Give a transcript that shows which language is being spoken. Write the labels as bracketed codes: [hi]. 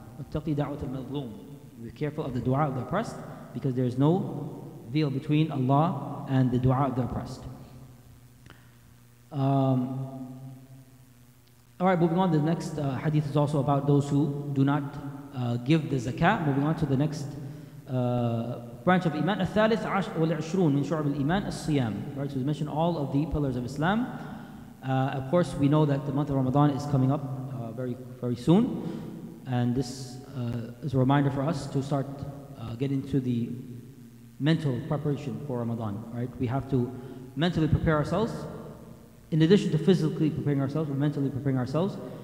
[ar] Attaqi da'wat al-mazloom. [en] Be careful of the dua of the oppressed, because there is no veil between Allah and the dua of the oppressed. Alright, moving on. The next hadith is also about those who do not give the zakat. Moving on to the next branch of Iman. [ar] الثالث عشر والعشرون من شعب الإيمان الصيام. [en] Right, so we mentioned all of the pillars of Islam. Of course, we know that the month of Ramadan is coming up very, very soon. And this is a reminder for us to start getting to the mental preparation for Ramadan, right? We have to mentally prepare ourselves. In addition to physically preparing ourselves, we're mentally preparing ourselves.